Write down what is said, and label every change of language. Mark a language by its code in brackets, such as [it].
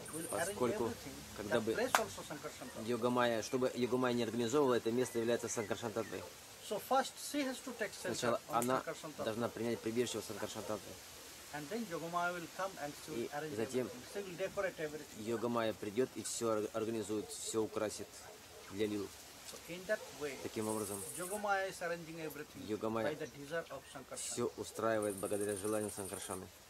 [ru] Поскольку, когда бы Йогамая, чтобы Йогамая не организовывала, это место является Санкаршантатвой. [en] So first she has to take shelter. [ru] Сначала она должна принять прибежище у Санкаршантатвы. [en] And then Yogamaya will come and she will arrange everything. She will decorate everything. [ru] Йогамая придет и все организует, все украсит для лил. [en] So in that way, [ru] таким образом, [en] Yogamaya is arranging everything. [ru] Йогамая [en] by the desire of Sankarsana. [ru] Все устраивает благодаря желанию Санкаршаны.